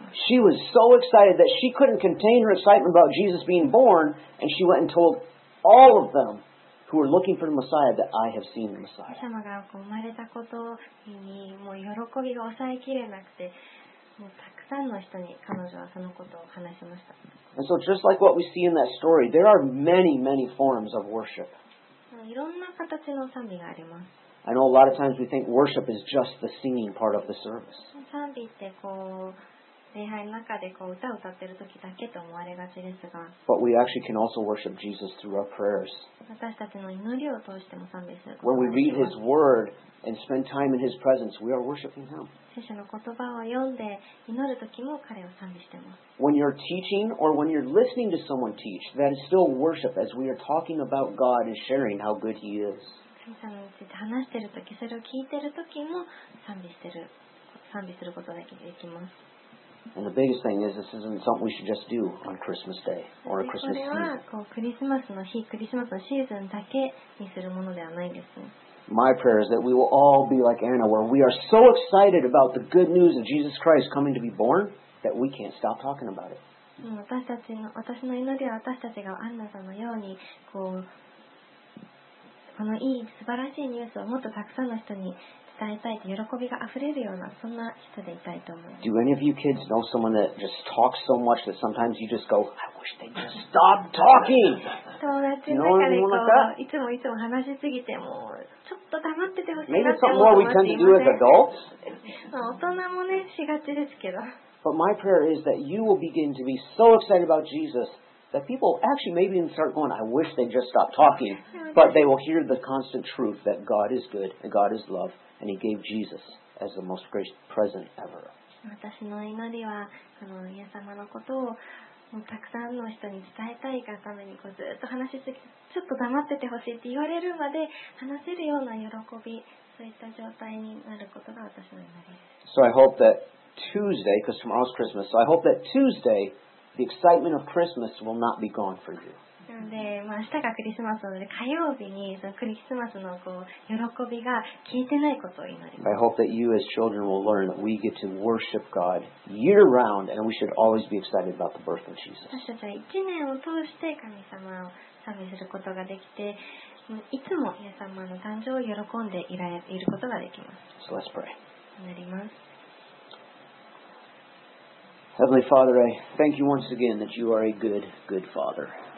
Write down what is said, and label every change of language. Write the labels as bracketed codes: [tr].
[en] She was so excited that she couldn't contain her excitement about Jesus being born, and she went and told all of them who were looking for the Messiah that I have seen the Messiah. [ja] もうたくさんの人に彼女はそのことを話しました。 [en] And so just like what we see in that story, there are many, many forms of worship. [ja] いろんな形の賛美があります。 [en] I know a lot of times we think worship is just the singing part of the service. [ja] 賛美ってこう礼拝の中でこう歌を歌ってる時だけと思われがちですが、 [en] But we actually can also worship Jesus through our prayers. [ja] 私たちの祈りを通しても賛美する。 [en] When we read His Word. And spend time in His presence, we are worshiping Him. [ja] 聖書の言葉を読んで祈る時も彼を賛美しています。 [en] When you're teaching or when you're listening to someone teach, that is still worship as we are talking about God and sharing how good He is. [ja] 神様について話してる時、それを聞いてる時も賛美することができます。 [en] And the biggest thing is this isn't something we should just do on Christmas Day or a Christmas season. [ja] これはこうクリスマスの日、クリスマスのシーズンだけにするものではないですね。 [en] My prayer is that we will all be like Anna, where we are so excited about the good news of Jesus Christ coming to be born that we can't stop talking about it. [ja] 私の祈りは私たちがアンナさんのように このいい素晴らしいニュースをもっとたくさんの人に伝えたいと喜びがあふれるようなそんな人でいたいと思います。 [en] Do any of you kids know someone that just talks so much that sometimes you just go, I wish they'd just stop talking? [ja] 友達の中でこういつもいつも話しすぎてもうちょっと黙っててほしいなって思っていますね。 [en] Maybe something more we tend to do as adults? [ja] 大人もね、しがちですけど。 [en] But my prayer is that you will begin to be so excited about Jesus that people actually maybe even start going, I wish they'd just stop talking. But they will hear the constant truth that God is good and God is love and He gave Jesus as the most gracious present ever. [ja] 私の祈りはこのイエス様のことをもうたくさんの人に伝えたいがためにこうずっと話しすぎてちょっと黙っててほしいって言われるまで話せるような喜びそういった状態になることが私の祈りです。 [en] So I hope that Tuesday, because tomorrow's Christmas, so I hope that Tuesday, the excitement of Christmas will not be gone for you. [ja] なので、まあ、明日がクリスマスなので火曜日にそのクリスマスのこう喜びが消えてないことを祈ります。 [en] I hope that you as children will learn that we get to worship God year round and we should always be excited about the birth of Jesus. [ja] 私たちは一年を通して神様を賛美することができて、いつもイエス様の誕生を喜んでいられていることができます。 [en] So let's pray. [ja] なります。 [en] Heavenly Father, I thank you once again that you are a good, good Father.